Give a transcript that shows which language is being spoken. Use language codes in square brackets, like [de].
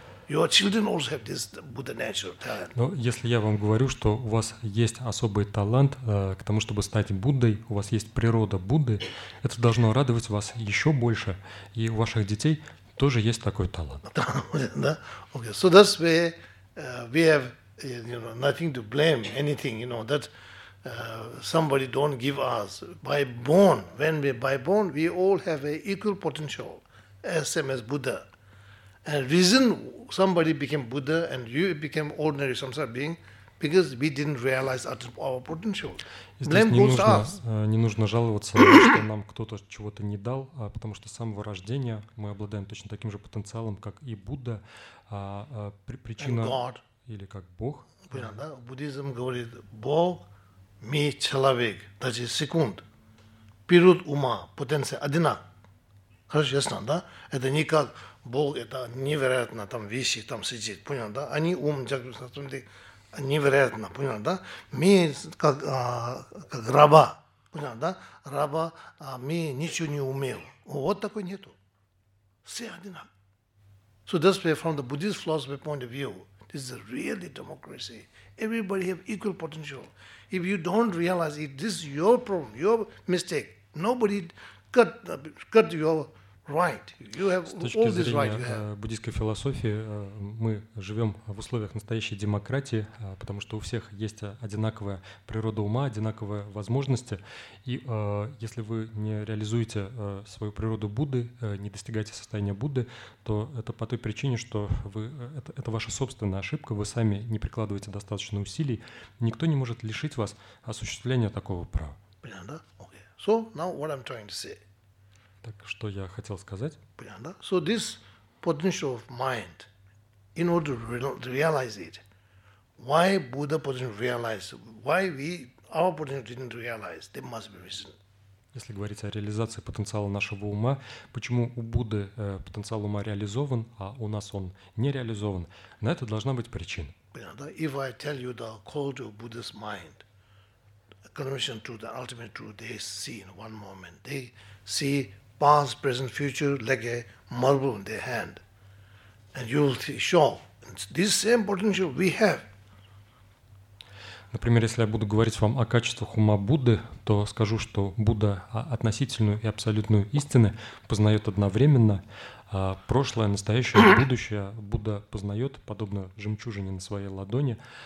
[en] Your children also have this Buddha nature talent. [ru] Но если я вам говорю, что у вас есть особый талант к тому, чтобы стать Буддой, у вас есть природа Будды, это должно радовать вас еще больше, и у ваших детей тоже есть такой талант. Да? Okay. [en] So that's where we have, you know, nothing to blame anything, you know, that somebody don't give us by born. When we by born, we all have an equal potential, same as Buddha. And reason somebody became Buddha and you became ordinary samsara being, because we didn't realize our potential. Blame goes to us. [ru] Не нужно жаловаться, что нам кто-то чего-то не дал, потому что с самого рождения мы обладаем точно таким же потенциалом, как и Будда. Причина или как Бог. Понятно, да? Буддизм говорит Бог. Мы человек, даже секунд, период ума, потенция одна. Хорошо, ясно, да? Это не как Бог, это невероятно, там вещи там сидит, понял, да? Они ум, невероятно, понял, да? Мы как раба, понял, да? Раба, мы ничего не умел. Вот такой нету. Все одна. [en] So that's why from the Buddhist philosophy point of view, this is a really democracy. Everybody have equal potential. If you don't realize it, this is your problem, your mistake. Nobody cut your right. You have all this right. [ru] С точки зрения буддийской философии, мы живем в условиях настоящей демократии, потому что у всех есть одинаковая природа ума, одинаковые возможности. И если вы не реализуете свою природу Будды, не достигаете состояния Будды, то это по той причине, что вы это ваша собственная ошибка, вы сами не прикладываете достаточно усилий. Никто не может лишить вас осуществления такого права. Понятно, да? [en] Okay. So now what I'm trying to say. [ru] Так что я хотел сказать? Понятно, да? [en] So this potential of mind, in order to realize it, why Buddha potential realize, why we, our potential didn't realize, there must be reason. [ru] Если говорить о реализации потенциала нашего ума, почему у Будды потенциал ума реализован, а у нас он не реализован, на это должна быть причина. Понятно, да? [en] If I tell you the quality of Buddha's mind, conversion to the ultimate truth, they see in one moment, they see past, present, future, like a marble in their hand. And you will see, sure, this same potential we have. [ru] Например, если я буду говорить вам о качествах ума Будды, то скажу, что Будда относительную и абсолютную истины познает одновременно. Прошлое, настоящее, будущее Будда познает, подобно жемчужине на своей ладони.